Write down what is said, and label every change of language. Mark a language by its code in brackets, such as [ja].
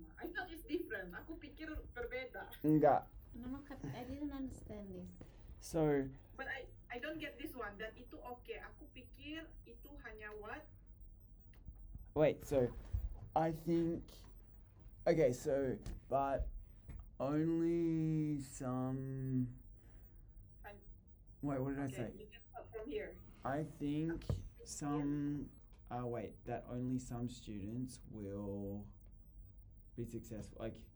[en] I thought it's different. [id] Aku pikir berbeda. Enggak. [en] No, I didn't understand this. So. But I don't get this one. That [id] itu [en] okay. [id] Aku pikir itu hanya [en] what? Wait, so. I think, okay, so, but only some, wait, what did okay, I say? You can from here. I think some, wait, that only some students will be successful, like,